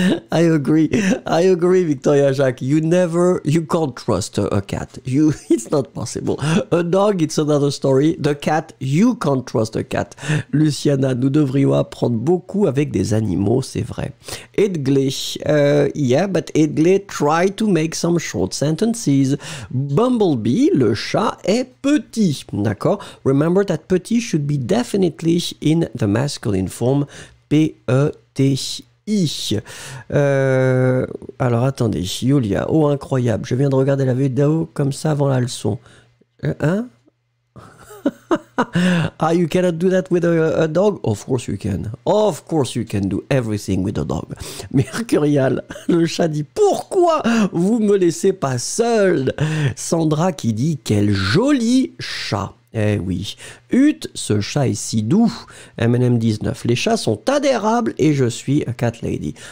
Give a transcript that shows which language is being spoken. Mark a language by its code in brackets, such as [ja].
[en] I agree, Victoria Jacques. You can't trust a cat. It's not possible. A dog, it's another story. The cat, you can't trust a cat. [fr] Luciana, nous devrions apprendre beaucoup avec des animaux, c'est vrai. [en] Edgley, but Edgley, try to make some short sentences. [fr] Bumblebee, le chat, est petit, d'accord? [en] Remember that petit should be definitely in the masculine form, P-E-T-I. [fr] Alors attendez, Julia, oh incroyable, je viens de regarder la vidéo comme ça avant la leçon. Hein? [en] Ah, you cannot do that with a dog? Of course you can. Of course you can do everything with a dog. [fr] Mercurial, le chat dit, pourquoi vous me laissez pas seul? Sandra qui dit, quel joli chat! Eh oui, Ut, ce chat est si doux. M&M19, les chats sont adorables et je suis [en] a cat lady.